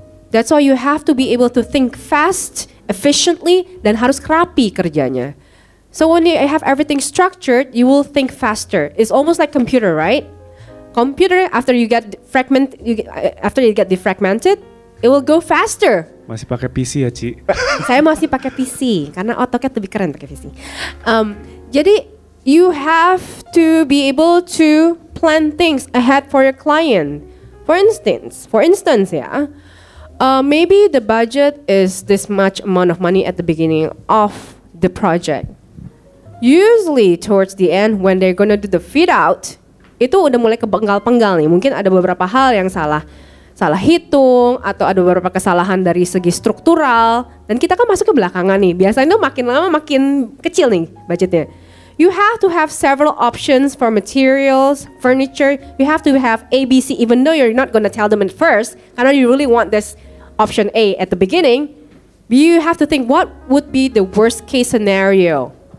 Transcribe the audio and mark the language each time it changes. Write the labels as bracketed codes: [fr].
[en] That's why you have to be able to think fast, efficiently, [id] dan harus rapi kerjanya. [en] So when you have everything structured, you will think faster. It's almost like computer, right? Computer, after you get defragmented, it will go faster. [id] Masih pakai PC ya, Ci? Saya masih pakai PC, karena AutoCAD lebih keren pakai PC. [en] Jadi, you have to be able to plan things ahead for your client. For instance, ya, maybe the budget is this much amount of money at the beginning of the project. Usually towards the end when they're gonna do the fit out, [id] itu udah mulai kepenggal-penggal nih. Mungkin ada beberapa hal yang salah hitung atau ada beberapa kesalahan dari segi struktural. Dan kita kan masuk ke belakangan nih. Biasanya tuh makin lama makin kecil nih budgetnya. [en] You have to have several options for materials, furniture. You have to have A, B, C, even though you're not gonna tell them at first, karena you really want this option A at the beginning. You have to think what would be the worst case scenario.